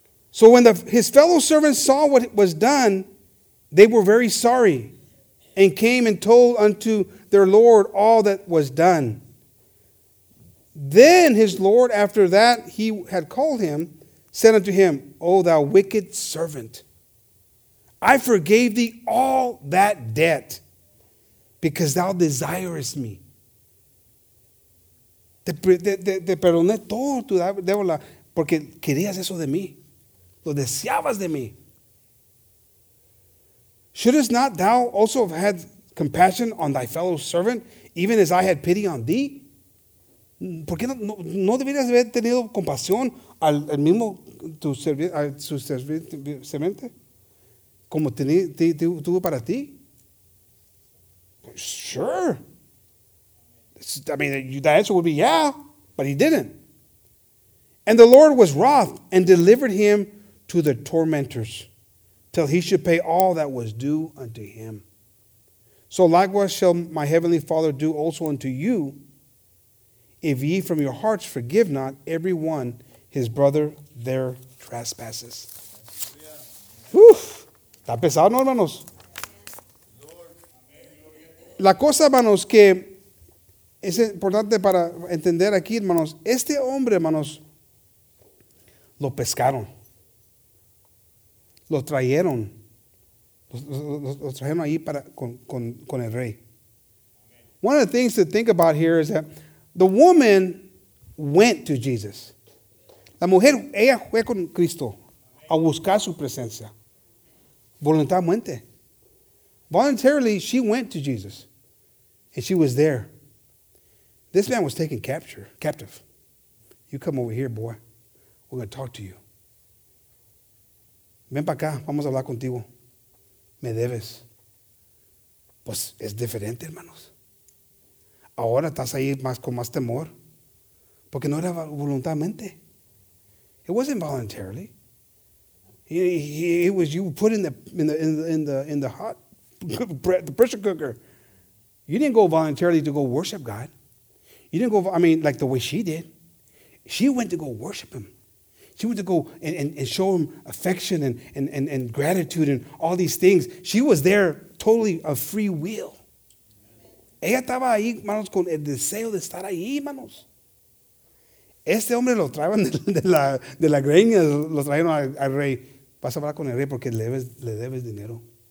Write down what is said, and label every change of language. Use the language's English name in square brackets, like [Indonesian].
[English] So when his fellow servants saw what was done, they were very sorry and came and told unto their Lord all that was done. Then his Lord, after that he had called him, said unto him, O thou wicked servant, I forgave thee all that debt because thou desirest me. [Spanish] Te perdoné todo tu deuda porque querías eso de mí. Lo deseabas de mí. [English] Shouldest not thou also have had compassion on thy fellow servant, even as I had pity on thee? [Spanish] ¿Por qué no deberías haber tenido compasión al mismo tu servidor, como tuvo para ti? [English] Sure. I mean, the answer would be yeah, but he didn't. And the Lord was wroth and delivered him to the tormentors till he should pay all that was due unto him. So likewise shall my heavenly Father do also unto you if ye from your hearts forgive not every one his brother their trespasses. Yeah. [Spanish] Uf, está pesado, ¿no, hermanos? La cosa, hermanos, que es importante para entender aquí, hermanos, este hombre, hermanos, lo pescaron. Lo trajeron. Lo trajeron ahí para con el rey. [English] One of the things to think about here is that the woman went to Jesus. [Spanish] La mujer, ella fue con Cristo a buscar su presencia. Voluntariamente. [English] Voluntarily, she went to Jesus. And she was there. This man was taken captive. You come over here, boy. We're going to talk to you. [Spanish] Ven para acá. Vamos a hablar contigo. Me debes. Pues es diferente, hermanos. Ahora estás ahí más con más temor. Porque no era voluntariamente. [English] It wasn't voluntarily. It was you put in the hot bread, the pressure cooker. You didn't go voluntarily to go worship God. You didn't go, I mean, like the way she did. She went to go worship him. She went to go and show him affection and gratitude and all these things. She was there totally of free will. [Spanish] Ella estaba ahí, manos, con el deseo de estar ahí, manos. Este hombre lo traían de la greña, lo traían al rey. Vas a hablar con el rey porque le debes dinero.